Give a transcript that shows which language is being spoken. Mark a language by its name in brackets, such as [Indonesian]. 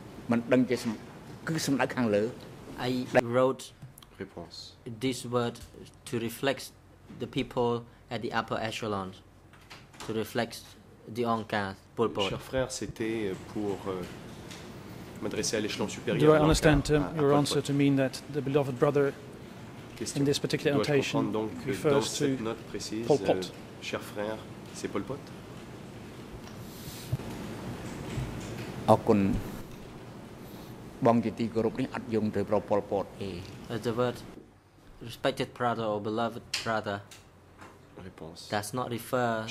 [English] I wrote this word to reflect the people at the upper echelon, to reflect the Onkar Pol Pot. [French] Cher frère, c'était pour m'adresser à l'échelon supérieur. [English] Do I understand your answer to mean that the beloved brother in this particular annotation refers to [French] note précise, Pol Pot? Cher frère, c'est Pol Pot? [English] The word respected brother or beloved brother does not refer